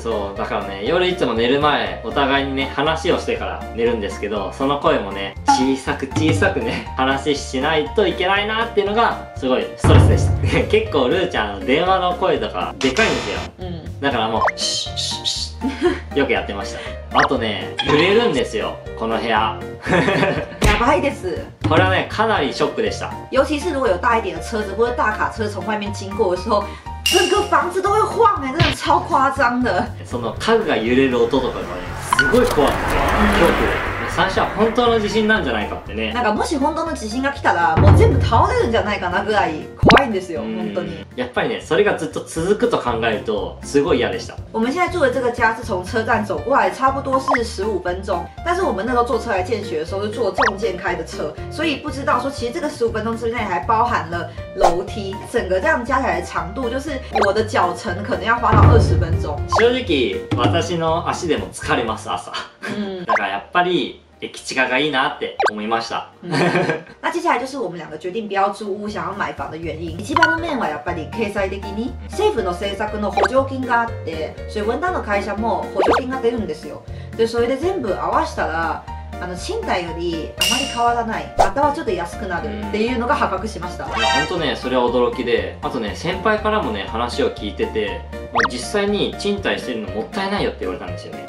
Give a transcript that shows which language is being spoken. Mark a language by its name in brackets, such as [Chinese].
[Japanese] そうだからね、夜いつも寝る前お互いにね話をしてから寝るんですけど、その声もね小さく小さくね話しないといけないなっていうのがすごいストレスでした。結構ルーちゃんの電話の声とかでかいんですよ。だからもうシュッシュッシュッよくやってました。あとね、揺れるんですよこの部屋。やばいです。これはね、かなりショックでした。 [Chinese] 尤其是如果有大一点的车子或者大卡车从外面经过的时候，整个房子都会晃耶，真的超夸张的。 [Japanese] その家具が揺れる音とかがね、すごい怖くて、恐怖で、最初は本当の地震なんじゃないかってね。なんかもし本当の地震が来たらもう全部倒れるんじゃないかなぐらい怖いんですよ。本当にやっぱりね、それがずっと続くと考えるとすごい嫌でした。 [Chinese] 我们现在住的这个家是从车站走过来差不多是15分钟，但是我们那时候坐车来见学的时候是坐重建开的车，所以不知道说其实这个15分钟之内还包含了楼梯，整个这样加起来的长度就是我的脚程可能要花到20分钟。 [Japanese] 正直私の足でも疲れます朝。だからやっぱり駅近がいいなって思いました。 [Chinese] 那接下来就是我们两个决定不要租屋想要买房的原因。 [Japanese] 一番の面はやっぱり経済的に、政府の政策の補助金があって、所以文旦の会社も補助金が出るんですよ。でそれで全部合わせたら賃貸よりあまり変わらない、またはちょっと安くなるっていうのが発覚しました。本当ね、それは驚きで、あとね、先輩からもね話を聞いてて、もう実際に賃貸してるのもったいないよって言われたんですよね。